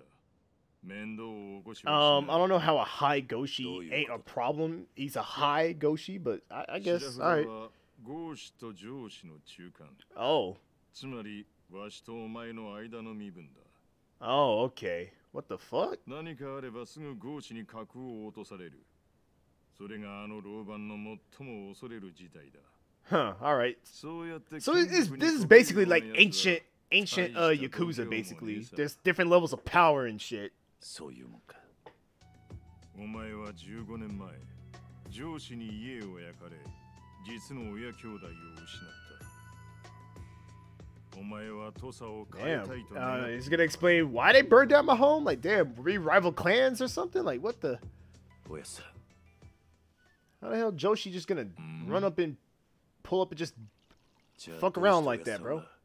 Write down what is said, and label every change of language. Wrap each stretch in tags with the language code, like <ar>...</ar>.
<ja>トサのお偉い老人たちのことか。だが問題ない。さっきの老番は白札ゴシだ。面倒を起こしました。</ja> <en>I don't know how a high Goshi ain't a problem. He's a high Goshi, but I guess all right。</en> <ja>白札はゴシと上司の中間。つまりわしとお前の間の身分だ。</ja> <en>Okay. What the fuck?</en> <ja>何かあればすぐゴシに格を落とされる。それがあの老番の最も恐れる事態だ。</ja> <en>Huh, all right. So this is basically like ancient Yakuza basically. There's different levels of power and shit.</en> <ja>そういうもんか。お前は 15年前、上司に家を焼かれ、実の親兄弟を失った。お前は土佐を変えたいと願った。</ja> <en>Is gonna explain why they burned down my home? Like damn, we rival clans or something? Like what the?</en> <ja>おやさ。</ja> <en>How the hell Joshi just gonna run up and pull up and just fuck around like that, bro?</en>